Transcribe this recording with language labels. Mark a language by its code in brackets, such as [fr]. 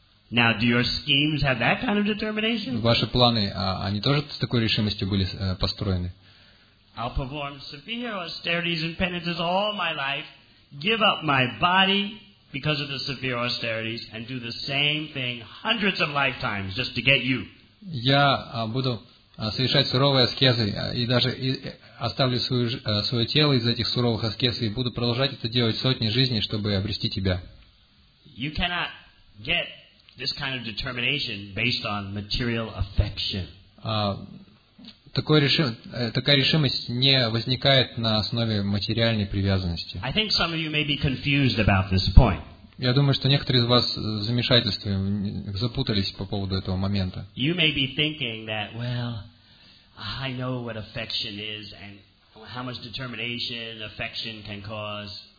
[en] Now, do your schemes have that kind of determination? [ru] Ваши планы, они тоже с такой решимостью были построены? [en] I'll perform severe austerities and penances all my life, give up my body because of the severe austerities, and do the same thing hundreds of lifetimes just to get you. [ru] Я буду совершать суровые аскезы и даже оставлю свое тело из этих суровых аскез и буду продолжать это делать сотни жизней, чтобы обрести тебя. [en] You cannot get this kind of determination based on material affection. [ru] Такая решимость не возникает на основе материальной привязанности. [en] I think some of you may be confused about this point. [ru] Я думаю, что некоторые из вас в замешательстве запутались по поводу этого момента. [en] You may be thinking that, well, I know what affection is and how much determination affection can cause.